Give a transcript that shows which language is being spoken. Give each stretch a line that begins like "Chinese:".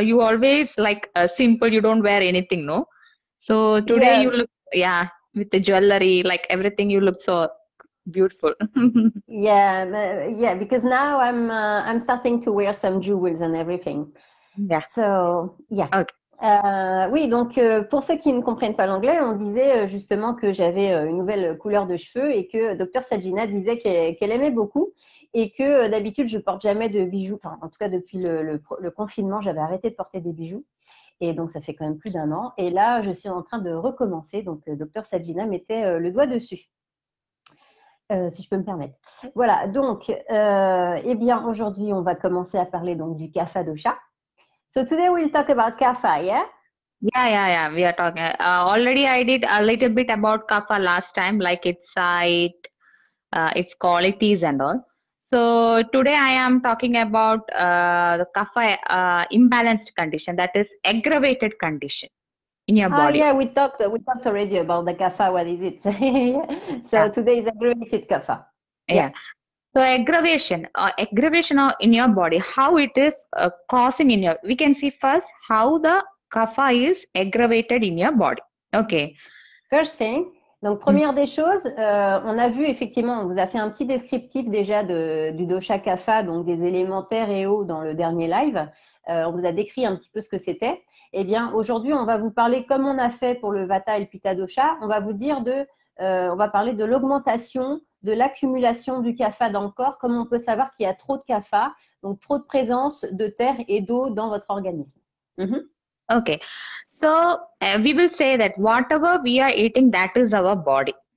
English: You always like simple. You don't wear anything, no. So today you look yeah with the jewelry, like everything. You look so beautiful. Yeah, because now I'm starting to wear some jewels and everything. Yeah. So, yeah. Okay.
French: Oui, donc pour ceux qui ne comprennent pas l'anglais, on disait justement que j'avais une nouvelle couleur de cheveux et que Dr Sajina disait qu'elle aimait beaucoup et que d'habitude je porte jamais de bijoux. Enfin, en tout cas depuis le confinement, j'avais arrêté de porter des bijoux. Et donc ça fait quand même plus d'un an. Et là, je suis en train de recommencer. Donc Dr Sajina mettait le doigt dessus. Si je peux me permettre. Voilà, donc, eh bien, aujourd'hui, on va commencer à parler donc du Kapha dosha.
English: So today we'll talk about Kapha, yeah? Yeah, we are talking. Already I did a little bit about Kapha last time, like its site, its qualities and all. So today I am talking about the Kapha imbalanced condition, that is aggravated condition in your Ah, body. yeah, we talked already about the kapha. What is it? So today is aggravated kapha. Yeah. So aggravation in your body, how it is causing in your, we can see first how the Kapha is aggravated in your body. Okay. First thing.
French: Donc, première des choses, on a vu effectivement, on vous a fait un petit descriptif déjà du dosha kapha, donc des éléments terre et eau dans le dernier live. On vous a décrit un petit peu ce que c'était. Eh bien, aujourd'hui, on va vous parler, comme on a fait pour le vata et le pitta dosha, on va vous dire on va parler de l'augmentation, de l'accumulation du kapha dans le corps, comme on peut savoir qu'il y a trop de kapha, donc trop de présence de terre et d'eau dans votre organisme.
English: Okay, so we will say that whatever we are eating, that is our body.